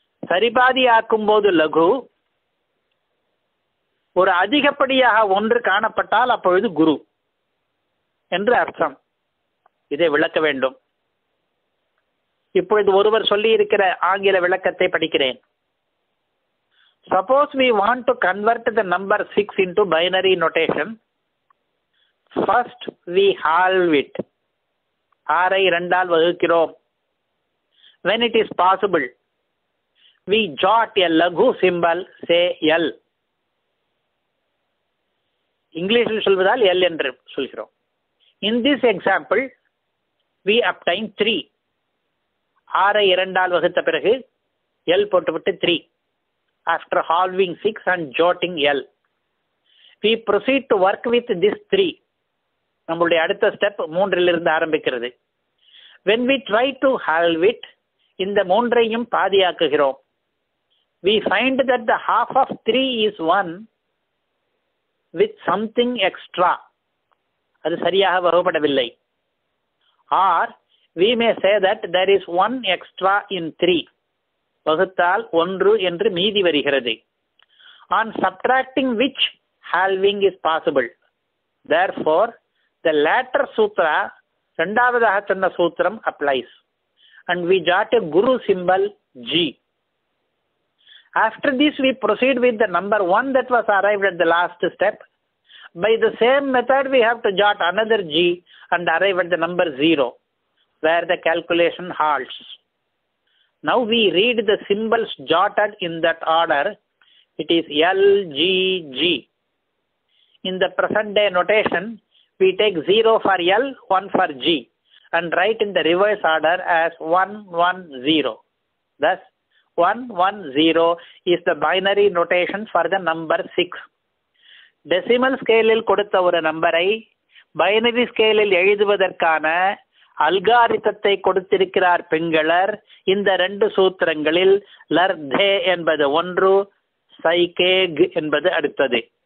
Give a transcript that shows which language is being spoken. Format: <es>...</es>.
<ta>சரிபாதி ஆக்கும் போது லகு, ஒரு அதிகப்படியாக ஒன்று காணப்பட்டால் அப்பொழுது குரு என்று அர்த்தம். இதை விளக்க வேண்டும். இப்பொழுது ஒருவர் சொல்லியிருக்கிற ஆங்கில விளக்கத்தை படிக்கிறேன்.</ta> <en>Suppose we want to convert the number 6 into binary notation. First, we halve it.</en> <ta>6-ஐ 2-ஆல் வகுக்கிறோம்.</ta> <en>When it is possible, we jot a laghu symbol, say L.</en> <ta>இங்கிலீஷில் சொல்வதால் L என்று சொல்கிறோம்.</ta> <en>In this example, we obtain 3.</en> <ta>6-ஐ 2-ஆல் வகுத்த பிறகு L போட்டுவிட்டு 3.</ta> <en>After halving 6 and jotting L, we proceed to work with this 3.</en> <ta>நம்முடைய அடுத்த step 3-லிருந்து ஆரம்பிக்கிறது.</ta> <en>When we try to halve it,</en> <ta>இந்த 3-ஐயும் பாதியாக்குகிறோம்.</ta> <en>We find that the half of 3 is 1 with something extra.</en> <ta>அது சரியாக வகுப்படவில்லை.</ta> <en>Or we may say that there is 1 extra in 3.</en> <ta>வகுத்தால் 1 என்று மீதி வருகிறது.</ta> <en>On subtracting which halving is possible. Therefore, the latter sutra,</en> <ta>2வதாக சொன்ன சூத்திரம்</ta> <en>applies. And we jot a guru symbol G. After this, we proceed with the number 1 that was arrived at the last step. By the same method, we have to jot another G and arrive at the number 0, where the calculation halts. Now we read the symbols jotted in that order. It is L, G, G. In the present day notation, we take 0 for L, 1 for G, and write in the reverse order as 1, 1, 0. Thus, 1, 1, 0 is the binary notation for the number 6. Decimal scale-il kodutha oru number-ai binary scale-il ezhuvadharkana அல்காரிதத்தை கொடுத்திருக்கிறார் பெங்களர்.</en> <ta>இந்த ரெண்டு சூத்திரங்களில் லர்தே என்பது 1, சைகேக் என்பது அடுத்தது.</ta>